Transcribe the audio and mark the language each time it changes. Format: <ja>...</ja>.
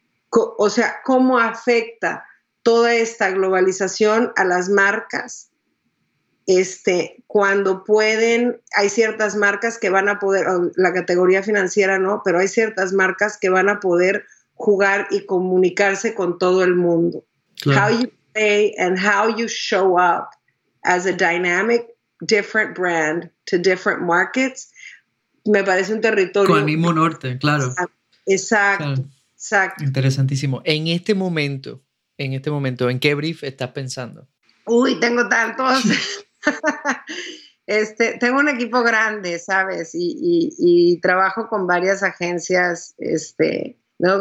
<es>O sea, ¿cómo afecta toda esta globalización a las marcas? Cuando pueden, hay ciertas marcas que van a poder, la categoría financiera no, pero hay ciertas marcas que van a poder jugar y comunicarse con todo el mundo. Claro.</es> <en>How you play and how you show up as a dynamic different brand to different markets,</en> <es>me parece un territorio con el mismo norte, claro. Exacto. Interesantísimo. En este momento, ¿en qué brief estás pensando? Uy, tengo tantos. tengo un equipo grande, ¿sabes? Y trabajo con varias agencias, ¿no?</es>